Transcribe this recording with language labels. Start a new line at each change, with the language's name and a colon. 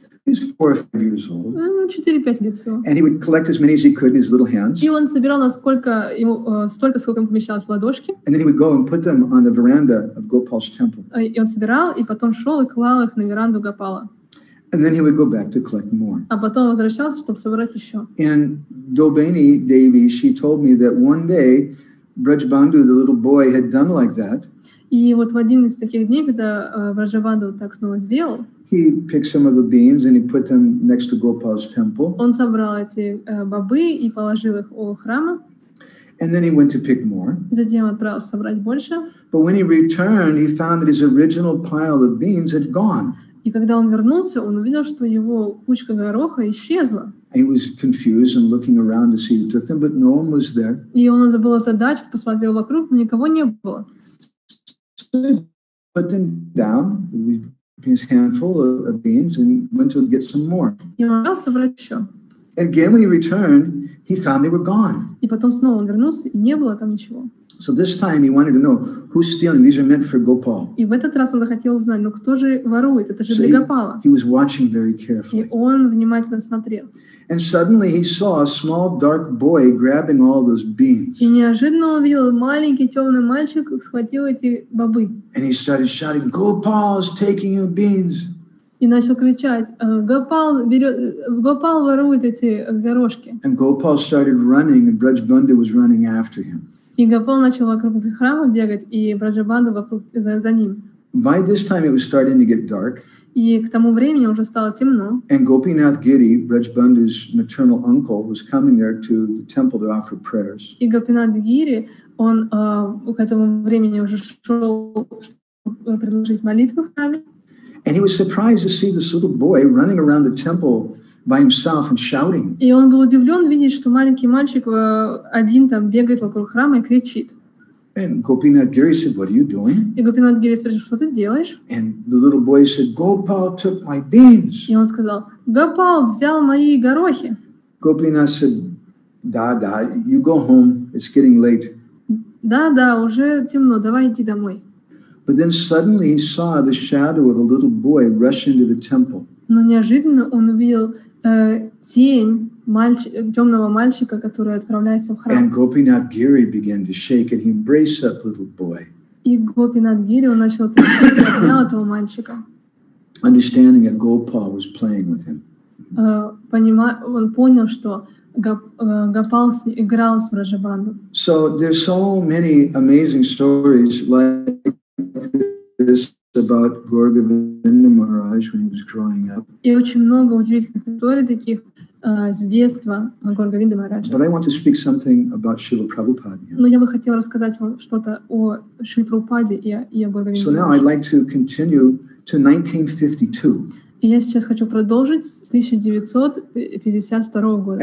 English: He's 4 or 5 years old.
Russian: 4-5 лет всего.
English: And he would collect as many as he could in his little hands.
Russian: И он собирал столько, сколько ему помещалось в ладошки.
English: And then he would go and put them on the veranda of Gopal's temple.
Russian: И он собирал, и потом шел и клал их на веранду Гопала.
English: And then he would go back to collect more.
Russian: А потом возвращался, чтобы собрать еще.
English: And Dobini Devi, she told me that one day Braj Bandhu, the little boy, had done like that.
Russian: И вот в один из таких дней, когда Braj Bandhu так снова сделал,
English: he picked some of the beans and he put them next to Gopal's temple.
Russian: Он собрал эти бобы и положил их у храма.
English: And then he went to pick more.
Russian: Затем отправился собрать больше.
English: But when he returned, he found that his original pile of beans had gone.
Russian: И когда он вернулся, он увидел, что его кучка гороха исчезла.
English: He was confused and looking around to see who took them, but no one was there.
Russian: И он забыл озадачить, посмотрел вокруг, но никого не было.
English: Put them down. His handful of beans and went to get some more.
Russian: И он собрал собрать еще.
English: And again when he returned, he found they were gone.
Russian: И потом снова он вернулся, и не было там ничего.
English: So this time he wanted to know who's stealing. These are meant for Gopal.
Russian: И в этот раз он захотел узнать, кто же ворует? Это же для Гопала.
English: He was watching very carefully.
Russian: И он внимательно смотрел.
English: And suddenly he saw a small dark boy grabbing all those beans.
Russian: И неожиданно увидел маленький темный мальчик схватил эти бобы.
English: And he started shouting, "Gopal is taking your beans!"
Russian: И начал кричать, Гопал ворует эти горошки.
English: And Gopal started running, and Braj Bandhu was running after him.
Russian: И Гопал начал вокруг храма бегать, и Браджа Банда вокруг за ним.
English: By this time it was starting to get dark.
Russian: И к тому времени уже стало темно.
English: And Gopinath Giri, Brajbandhu's maternal uncle, was coming there to the temple to offer prayers.
Russian: И Гопинат Гири, он к этому времени уже шел предложить молитву в храме.
English: And he was surprised to see this little boy running around the temple by himself and shouting.
Russian: И он был удивлен видеть, что маленький мальчик один там бегает вокруг храма и кричит.
English: And Gopinath Giri said, "What are you doing?"
Russian: И Гопинат Гири спросил, что ты делаешь?
English: And the little boy said, "Gopal took my beans."
Russian: И он сказал, Гопал взял мои горохи.
English: Gopinath said,
Russian: "Да, да,
English: you go home. It's getting late."
Russian: Да, да, уже темно. Давай иди домой.
English: But then suddenly he saw the shadow of a little boy rush into the temple.
Russian: Но неожиданно он увидел темного мальчика, который отправляется в храм.
English: And Gopinath Giri began to shake and he embraced that little boy.
Russian: И Гопинат Гири, он начал трясти этого мальчика.
English: Understanding that Gopal was playing with him.
Russian: Он понял, что Гопал играл с Враджабандхой.
English: So there's so many amazing stories like this about Gaurgavinda Maharaj when he was growing up.
Russian: И очень много удивительных историй таких с детства Гаургавинды Махараджа.
English: But I want to speak something about Шрила Прабхупада.
Russian: Но я бы хотела рассказать вам что-то о Шриле Прабхупаде и о Гаургавинде Махараджа.
English: So now I'd like to continue to 1952.
Russian: И я сейчас хочу продолжить с 1952 года.